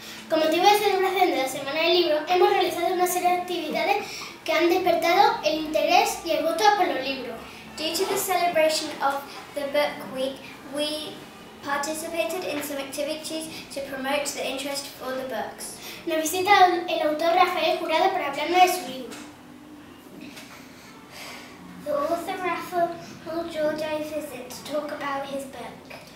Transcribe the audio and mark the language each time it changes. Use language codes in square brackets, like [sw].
[es] Con motivo de celebración de la Semana del Libro, hemos realizado una serie de actividades que han despertado el interés y el gusto por los libros. [en] Due to the celebration of the Book Week, we participated in some activities to promote the interest for the books. [es] Nos visita el autor Rafael Jurado para hablarnos de su libro. [en] The author Rafael Jurado visit to talk about his book.